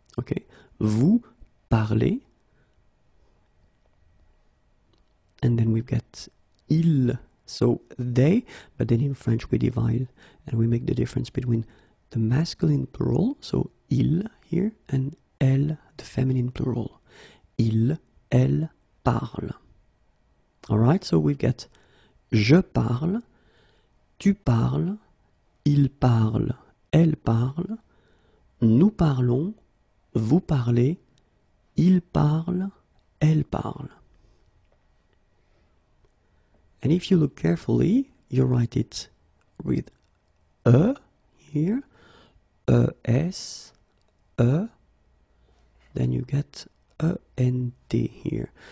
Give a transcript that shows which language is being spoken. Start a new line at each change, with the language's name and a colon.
English: Okay,
French: vous parlez,
English: and then we've got il, so they, but then in French we divide and we make the difference between the masculine plural, so il here, and elle, the feminine plural.
French: Il, elle parle.
English: Alright, so we've got
French: je parle, tu parles, il parle, elle parle, nous parlons, vous parlez, il parle, elle parle.
English: And if you look carefully, you write it with E here, E-S, E, then you get E-N-T here.